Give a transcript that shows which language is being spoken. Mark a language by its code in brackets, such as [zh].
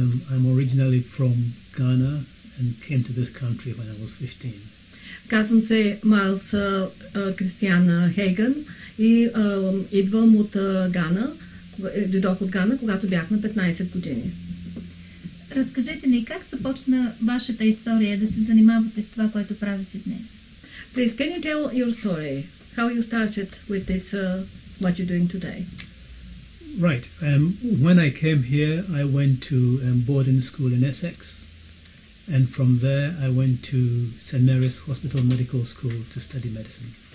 [en] I'm originally from Ghana and came to this country when I was 15. [bg] Казвам се Майлс Кристиан Хейген и идвам от Гана, дойдох от Гана, когато бях на 15 години. Разкажете ни как започна вашата история да се занимавате с това, което правите днес. [en] Please, can you tell your story? How you started with this, what you're doing today? Right. When I came here, I went to boarding school in Essex, and from there I went to St Mary's Hospital Medical School to study medicine.